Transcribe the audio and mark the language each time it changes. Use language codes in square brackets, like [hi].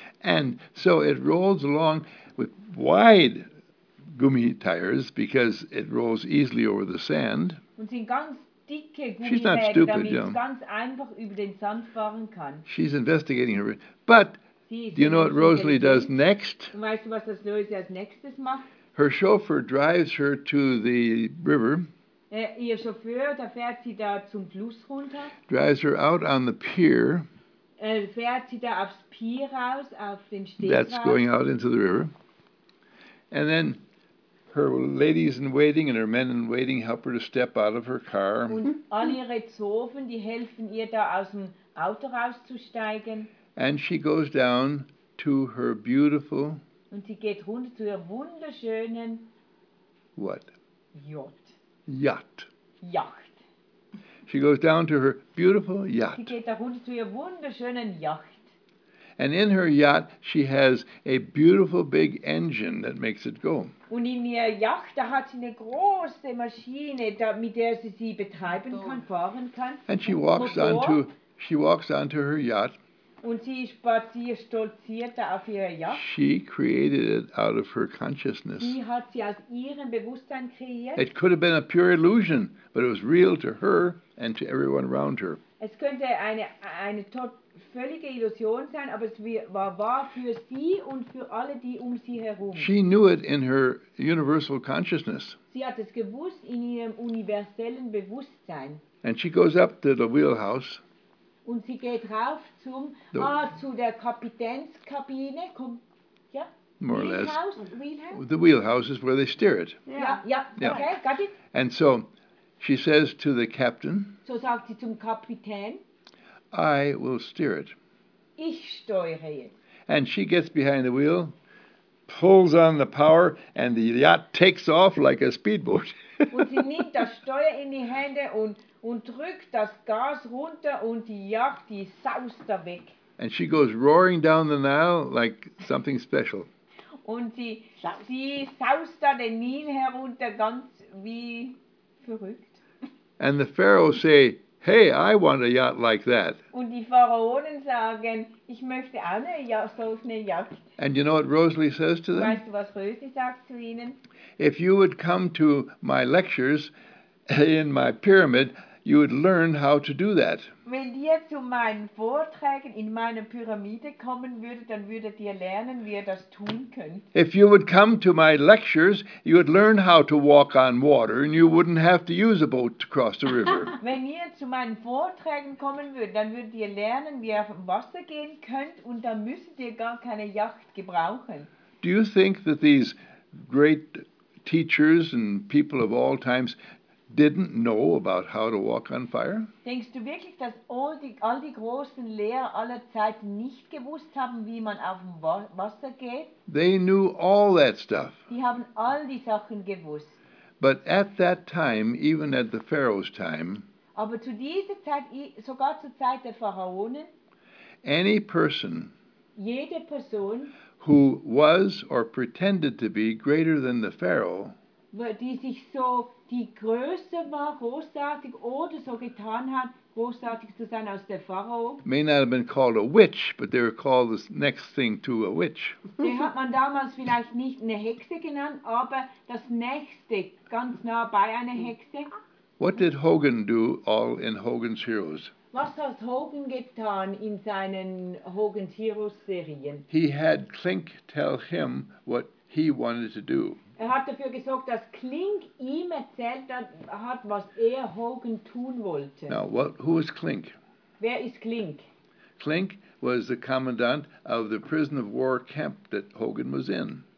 [en] And so it rolls along with wide gummi tires because it rolls easily over the sand. [de] Und sind ganz dicke Gummiräder, damit es ganz einfach über den Sand fahren kann. [en] She's investigating her. But do you know what Rosalie does next? [de] Weißt du, was das Rosalie als nächstes macht? [en] Her chauffeur drives her to the river. [de] Ihr Chauffeur, da fährt sie da zum Fluss runter. [en] Drives her out on the pier. [de] Fährt sie da aufs Pier raus, auf den Steg. [en] That's [de] raus. [en] Going out into the river. And then her ladies-in-waiting and her men-in-waiting help her to step out of her car. [de] Und all ihre Zofen, die helfen ihr da aus dem Auto rauszusteigen. [en] And she goes down to her beautiful... [de] Und sie geht runter zu ihrer wunderschönen... [en] What? Yacht. Yacht. She goes down to her beautiful yacht. [de] Sie geht da runter zu ihrer wunderschönen Yacht. [en] And in her yacht, she has a beautiful big engine that makes it go. [de] Und in ihrer Yacht, da hat sie eine große Maschine, da, mit der sie sie betreiben kann, fahren kann. [en] And she walks onto her yacht. [de] Und sie stolziert da auf ihrer Yacht. [en] She created it out of her consciousness. [de] Sie hat sie aus ihrem Bewusstsein kreiert. [en] It could have been a pure illusion, but it was real to her and to everyone around her. [de] Es könnte eine völlige Illusion sein, aber es war wahr für sie und für alle, die um sie herum. [en] She knew it in her universal consciousness. [de] Sie hat es gewusst in ihrem universellen Bewusstsein. [en] And she goes up to the wheelhouse. [de] Und sie geht rauf zum zu der Kapitänskabine. Komm, ja. [en] More or less. Wheelhouse. The wheelhouse is where they steer it. Yeah. Okay, got it. And so she says to the captain. [de] So sagt sie zum Kapitän. [en] I will steer it. [de] Ich steuere jetzt. [en] And she gets behind the wheel, pulls on the power, and the yacht takes off like a speedboat. [de] Und sie nimmt das Steuer in die Hände und drückt das Gas runter und die Yacht, die saust da weg. [en] And she goes roaring down the Nile like something special. [de] Und sie saust da den Nil herunter ganz wie verrückt. [en] And the Pharaoh say, hey, I want a yacht like that. [de] Und die Pharaonen sagen, ich möchte auch eine Yacht. [en] And you know what Rosalie says to them? [de] Weißt du, was Rosalie sagt zu ihnen? [en] If you would come to my lectures in my pyramid, you would learn how to do that. [de] Wenn ihr zu meinen Vorträgen in meiner Pyramide kommen würdet, dann würdet ihr lernen, wie ihr das tun könnt. [en] If you would come to my lectures, you would learn how to walk on water and you wouldn't have to use a boat to cross the river. [de] Wenn ihr zu meinen Vorträgen kommen würdet, dann würdet ihr lernen, wie ihr auf dem Wasser gehen könnt und dann müsstet ihr gar keine Yacht gebrauchen. [en] Do you think that these great teachers and people of all times didn't know about how to walk on fire? [de] Denkst du wirklich, dass all die großen Lehrer aller Zeiten nicht gewusst haben, wie man auf dem Wasser geht? [en] They knew all that stuff. [de] Die haben all die Sachen gewusst. [en] But at that time, even at the Pharaoh's time, [de] aber zu dieser Zeit, sogar zur Zeit der Pharaonen, [en] any person, [de] jede Person, [en] who was or pretended to be greater than the Pharaoh, [de] die sich so die Größe war großartig oder so getan hat, großartig zu sein als der Pharao. [en] May not have been called a witch, but they were called the next thing to a witch. [de] Den hat man damals vielleicht nicht eine Hexe genannt, aber das Nächste, ganz nah bei einer Hexe. [en] What did Hogan do all in Hogan's Heroes? [de] Was hat Hogan getan in seinen Hogan's Heroes Serien? [en] He had Klink tell him what he wanted to do. [de] Er hat dafür gesorgt, dass Klink ihm erzählt hat, was Hogan tun wollte. [en] Now, who is Klink? [de] Wer ist Klink? [en] Klink was the commandant of the prison of war camp that Hogan was in.